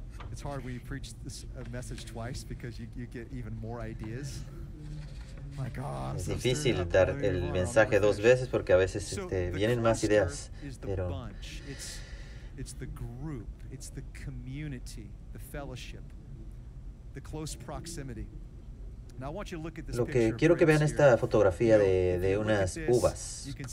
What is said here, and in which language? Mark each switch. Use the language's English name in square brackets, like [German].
[English] It's hard when you preach this message twice because you get even more ideas. My God, [Spanish] es difícil dar el mensaje dos veces porque a veces vienen más ideas. Pero [English] it's the group, it's the community, the fellowship, the close proximity. [Spanish] Lo que quiero que vean esta fotografía de unas uvas.